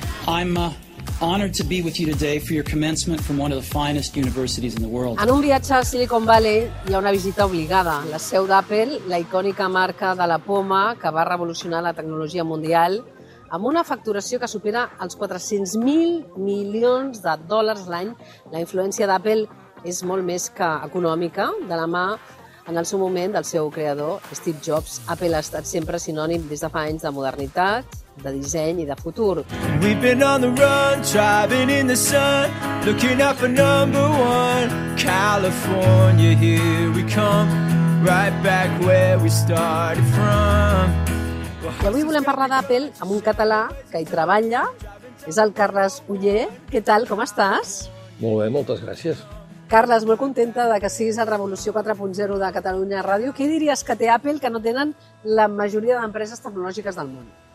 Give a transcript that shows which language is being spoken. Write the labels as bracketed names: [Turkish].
[English] I'm honored to be with you today for your commencement from one of the finest universities in the world. [Catalan] En un viatge a Silicon Valley hi ha una visita obligada, la seu d'Apple, la icònica marca de la poma que va revolucionar la tecnologia mundial, amb una facturació que supera els 400.000 milions de dòlars l'any. La influència d'Apple és molt més que econòmica. De la mà, en el seu moment, del seu creador, Steve Jobs, Apple ha estat sempre sinònim des de fa anys de modernitat, de disseny i de futur. [English] We've been on the run, driving in the sun, looking up for number one, California, here we come, right back where we started from. [Catalan] I avui volem parlar d'Apple amb un català que hi treballa, és el Carles Oller. Què tal, com estàs? Molt bé, moltes gràcies. Carles, molt contenta de que siguis a Revolució 4.0 de Catalunya Ràdio. Què diries que té Apple que no tenen la majoria d'empreses tecnològiques del món?